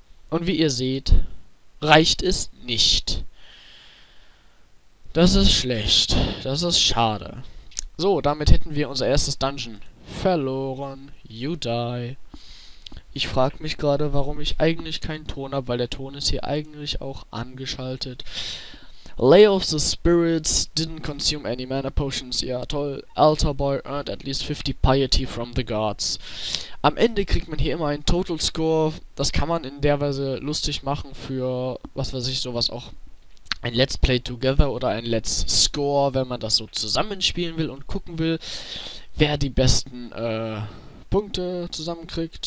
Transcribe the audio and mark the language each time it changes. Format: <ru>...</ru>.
<de>Und wie ihr seht, reicht es nicht. Das ist schlecht. Das ist schade. So, damit hätten wir unser erstes Dungeon verloren.</de> <en>You die.</en> <de>Ich frage mich gerade, warum ich eigentlich keinen Ton habe, weil der Ton ist hier eigentlich auch angeschaltet.</de> <en>Lay of the Spirits didn't consume any mana potions.</en> <de>Ja, toll.</de> <en>Altar Boy earned at least 50 piety from the gods.</en> <de>Am Ende kriegt man hier immer einen Total Score. Das kann man in der Weise lustig machen für, was weiß ich, sowas auch. Ein Let's Play Together oder ein Let's Score, wenn man das so zusammenspielen will und gucken will, wer die besten Punkte zusammenkriegt.</de>